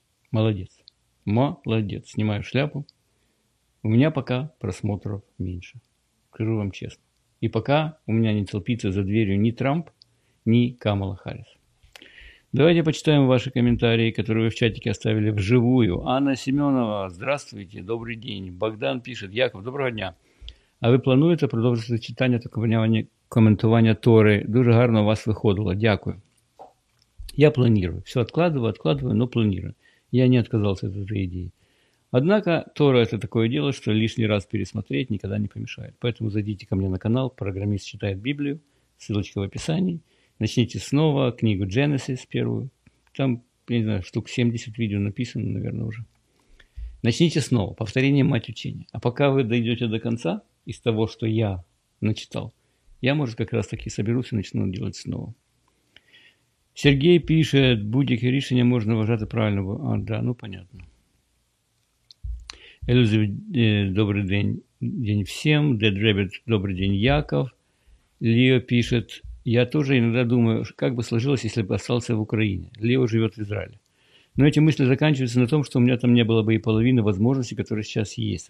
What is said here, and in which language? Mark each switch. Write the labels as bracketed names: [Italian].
[Russian] Молодец. Молодец. Снимаю шляпу. У меня пока просмотров меньше. Скажу вам честно. И пока у меня не толпится за дверью ни Трамп, ни Камала Харрис. Давайте почитаем ваши комментарии, которые вы в чатике оставили вживую. Анна Семенова, здравствуйте, добрый день. Богдан пишет, Яков, доброго дня. [Ukrainian] А ви плануєте продовжити читання та коментування Тори? Дуже гарно у вас виходило, дякую. [Russian] Я планирую, все откладываю, но планирую. Я не отказался от этой идеи. Однако Тора – это такое дело, что лишний раз пересмотреть никогда не помешает. Поэтому зайдите ко мне на канал «Программист читает Библию», ссылочка в описании. Начните снова книгу Genesis первую. Там, я не знаю, штук 70 видео написано, наверное, уже. Начните снова. Повторение мать учения. А пока вы дойдете до конца из того, что я начитал, я, может, как раз таки соберусь и начну делать снова. Сергей пишет, [Ukrainian] будь-яке рішення можна вважати правильним. [Russian] А, да, ну, понятно. Элюзив, добрый день всем. Дед Ребет, добрый день, Яков. Лио пишет, я тоже иногда думаю, как бы сложилось, если бы остался в Украине. Лео живет в Израиле. Но эти мысли заканчиваются на том, что у меня там не было бы и половины возможностей, которые сейчас есть.